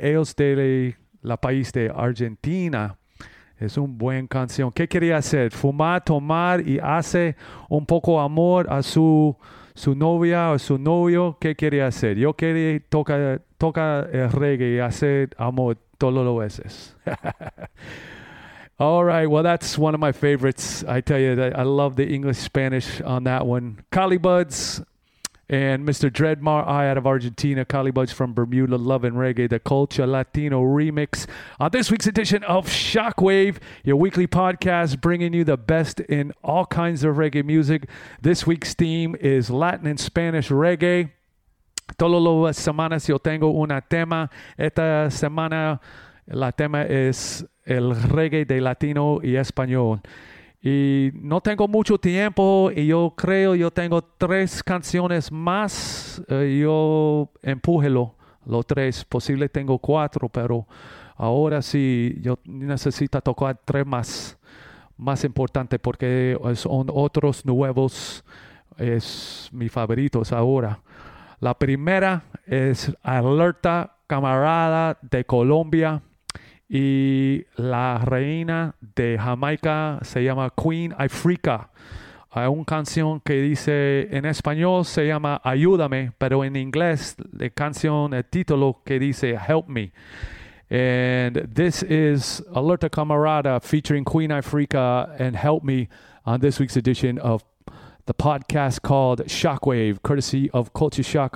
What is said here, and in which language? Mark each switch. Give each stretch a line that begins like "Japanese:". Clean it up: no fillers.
Spanish: Ellos de la país de Argentina. Es un buen canción. ¿Qué quería hacer? Fumar, tomar y hace un poco amor a su novia o su novio. ¿Qué quería hacer? Yo quería tocar el reggae y hacer amor todos los veces.
English: All right, well, that's one of my favorites. I tell you, I love the English-Spanish on that one. Calibuds and Mr. Dreadmar Eye out of Argentina. Calibuds from Bermuda, Love and Reggae, the Cultura Latino Remix. On this week's edition of Shockwave, your weekly podcast bringing you the best in all kinds of reggae music. This week's theme is Latin and Spanish reggae.
Spanish: Todas las semanas yo tengo una tema. Esta semana la tema es el reggae de latino y español. Y no tengo mucho tiempo y yo creo yo tengo tres canciones más. Yo empújelo, los tres. Posible tengo cuatro, pero ahora sí yo necesito tocar tres más importantes porque son otros nuevos. Es mis favoritos ahora. La primera es Alerta Camarada de Colombia. Y la reina de Jamaica se llama Queen Africa. Hay una canción que dice en español, se llama Ayúdame, pero en inglés la canción, el título que dice Help Me.
English: And this is Alerta Camarada featuring Queen Africa and Help Me on this week's edition of the podcast called Shockwave, courtesy of Culture Shock.